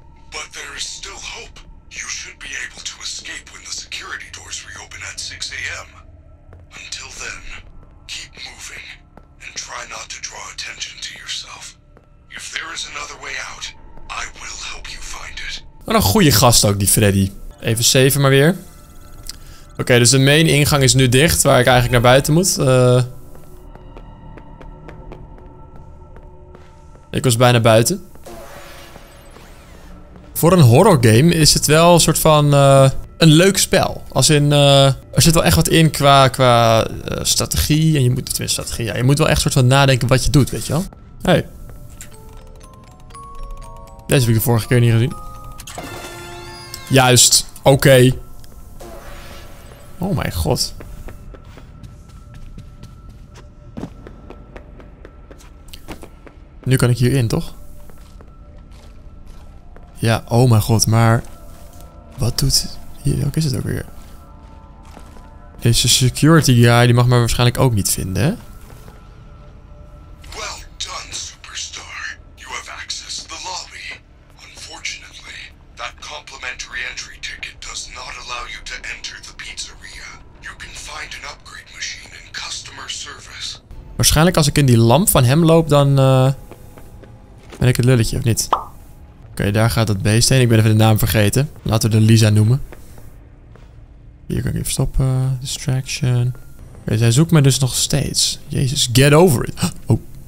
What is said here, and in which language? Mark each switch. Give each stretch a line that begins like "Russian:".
English: But there is still hope. You should be able to escape when the security doors reopen at 6 a.m. Until then, keep moving and try not to draw attention to yourself. If there is another way out, I will help you find it.
Dutch: Wat een goede gast ook, die Freddy. Even 7 maar weer. Oké, dus de main ingang is nu dicht, waar ik eigenlijk naar buiten moet. Ik was bijna buiten. Voor een horror game is het wel een soort van... een leuk spel. Als in, er zit wel echt wat in qua strategie. En je moet, tenminste strategie, ja. Je moet wel echt soort van nadenken wat je doet, weet je wel. Hé. Hey. Deze heb ik de vorige keer niet gezien. Juist. Oké. Okay. Oh mijn god. Nu kan ik hierin, toch? Ja, oh mijn god, maar... wat doet... hier, ook is het ook weer? Deze security guy, die mag me waarschijnlijk ook niet vinden, hè?
English: Well done, superstar. You have access to the lobby. Unfortunately, that complimentary entry ticket does not allow you to enter the pizzeria. You can find an upgrade machine in customer service.
Dutch: Waarschijnlijk als ik in die lamp van hem loop, dan ben ik het lulletje, of niet? Oké, daar gaat dat beest heen. Ik ben even de naam vergeten. Laten we de Lisa noemen. Hier kan ik even stoppen. Distraction. Oké, zij zoekt me dus nog steeds.
English: Jezus, get over it. Oh.